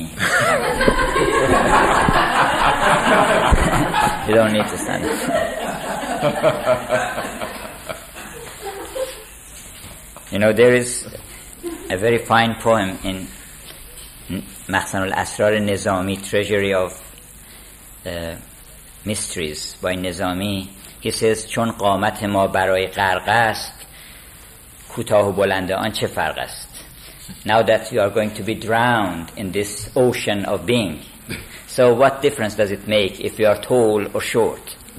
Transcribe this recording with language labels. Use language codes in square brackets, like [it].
[en] You don't need to stand. You know, there is a very fine poem in Makhzan al-Asrar al-Nizami, Treasury of Mysteries by Nizami. [fa] He says, چون قامت ما برای غرق است کوتاه و بلند آن چه فرق است. [en] Now that you are going to be drowned in this ocean of being, so what difference does it make if you are tall or short?